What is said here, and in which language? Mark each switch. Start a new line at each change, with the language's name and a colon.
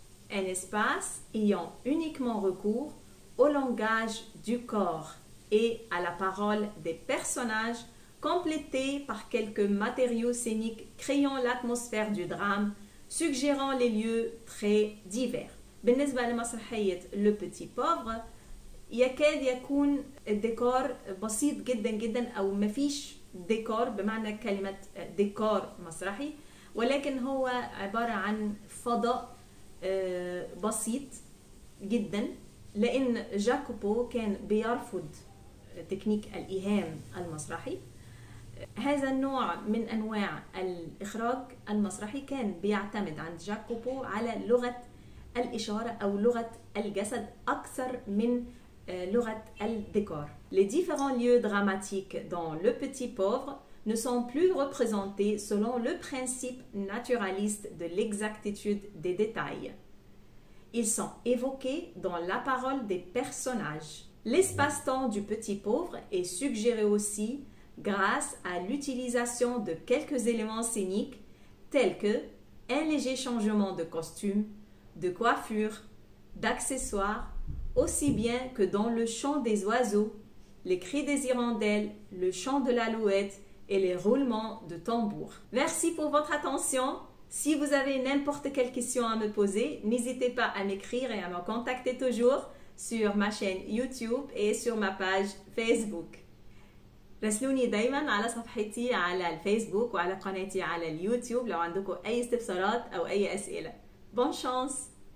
French: Un espace ayant uniquement recours au langage du corps et à la parole des personnages, complété par quelques matériaux scéniques créant l'atmosphère du drame, suggérant les lieux très divers.
Arabic: بالنسبة لمسرحية Le Petit Pauvre, يكاد يكون الديكور بسيط جدا جدا أو مفيش ديكور بمعنى كلمة ديكور مسرحي, ولكن هو عبارة عن فضاء بسيط جدا, لأن جاكوبو كان بيرفض تكنيك الإيهام المسرحي. هذا النوع من أنواع الإخراج المسرحي كان بيعتمد عند جاكوبو على لغة الإشارة أو لغة الجسد أكثر من لغة الديكور.
French: Les différents lieux dramatiques dans Le Petit Pauvre ne sont plus représentés selon le principe naturaliste de l'exactitude des détails. Ils sont évoqués dans la parole des personnages. L'espace-temps du Petit Pauvre est suggéré aussi grâce à l'utilisation de quelques éléments scéniques tels que un léger changement de costume, de coiffure, d'accessoires aussi bien que dans le chant des oiseaux, les cris des hirondelles, le chant de l'alouette et les roulements de tambour. Merci pour votre attention. Si vous avez n'importe quelle question à me poser, n'hésitez pas à m'écrire et à me contacter toujours sur ma chaîne YouTube et sur ma page Facebook.
Arabic: رسلوني دايما على صفحتي على الفيسبوك وعلى قناتي على اليوتيوب لو عندكم أي استفسارات أو أي أسئلة.
French: Bonne chance!